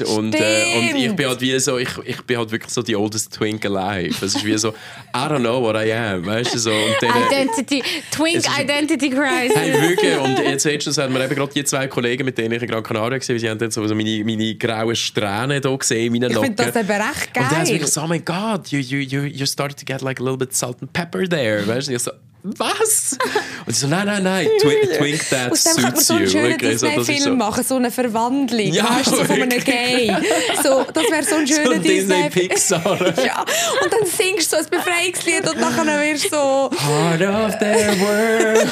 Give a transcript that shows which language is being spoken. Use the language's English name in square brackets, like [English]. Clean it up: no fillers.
[German] Und ich bin halt wie so, ich bin halt wirklich so die [English] oldest Twink alive. [German] Es ist wie so, [English] I don't know what I am. [German] Weißt du so. Und dann, [English] Identity. Twink Identity Crisis. [German] Hey, wirklich. Und jetzt hat man eben gerade die 2 Kollegen, mit denen ich in Gran Canaria war, sie haben dann so meine grauen Strähnen hier gesehen, meine Locken. Ich finde das aber recht geil. Und dann ist wirklich so, oh mein Gott. [English] You started to get like a little bit salt and pepper there. [German] Weißt du? Ich so, was? Und sie so, nein, [English] twink that suits you. [German] Und dann könnte man so einen schönen Disney-Film machen, so eine Verwandlung. Ja, weißt du, so von einem Gay. So, das wäre so ein schöner so Disney-Pixar. Ja, und dann singst du so ein Befreiungslied und dann wirst du so [English] Heart of their world.